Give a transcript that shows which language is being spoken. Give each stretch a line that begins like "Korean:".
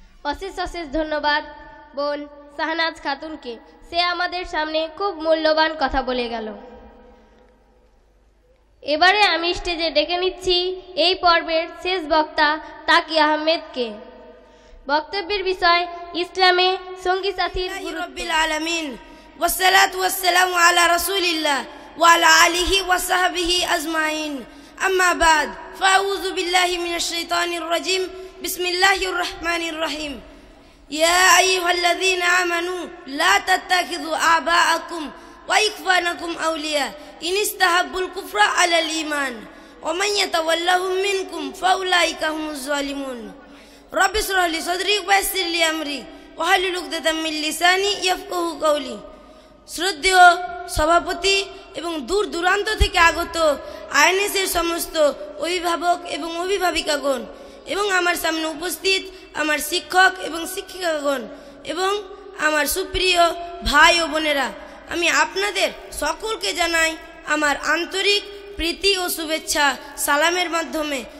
Bangla: অশেষ অশেষ ধন্যবাদ বোন শাহনাজ খাতুনকে, সে আমাদের সামনে খুব মূল্যবান কথা বলে গেল। এবারে আমি স্টেজে ডেকে নিচ্ছি এই পর্বের শেষ বক্তা তাকি আহমেদকে। বক্তব্যের বিষয়, ইসলামে সঙ্গী সাথীর
Arabic: রব্বিল আলামিন। والصلاه والسلام على رسول الله وعلى اله وصحبه اجمعين اما بعد فاعوذ بالله من الشيطان الرجيم بسم الله الرحمن الرحيم يا ايها الذين امنوا لا تتخذوا اباءكم واخوانكم اولياء ان استحبوا الكفر على الايمان ومن يتولهم منكم فاولئك هم الظالمون رب اشرح لي صدري ويسر لي امري واحلل عقده من لساني يفقهوا قولي
Bangla: শ্রদ্ধেয় সভাপতি এবং দূর দূরান্ত থেকে আগত আইএনএসের সমস্ত অভিভাবক এবং অভিভাবিকাগণ, এবং আমার সামনে উপস্থিত আমার শিক্ষক এবং শিক্ষিকাগণ, এবং আমার সুপ্রিয় ভাই ও বোনেরা, আমি আপনাদের সকলকে জানাই আমার আন্তরিক প্রীতি ও শুভেচ্ছা সালামের মাধ্যমে।